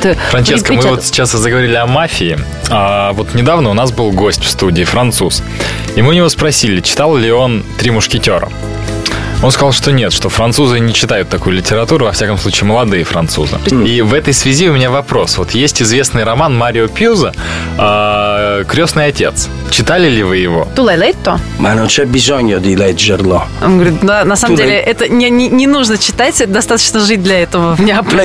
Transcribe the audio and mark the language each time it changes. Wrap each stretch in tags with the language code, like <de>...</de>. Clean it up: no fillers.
<ru>Франческо, мы вот сейчас заговорили о мафии. А вот недавно у нас был гость в студии, француз. И мы у него спросили, читал ли он «Три мушкетера». Он сказал, что нет, что французы не читают такую литературу, во всяком случае, молодые французы. И в этой связи у меня вопрос. Вот есть известный роман Марио Пьюза «Крестный отец». Читали ли вы его?</ru> <it>Tu l'hai letto? Ma non c'è bisogno di leggerlo.</it> <ru>Он говорит, да, на самом деле, это не нужно читать, достаточно жить для этого в Неаполе.</ru>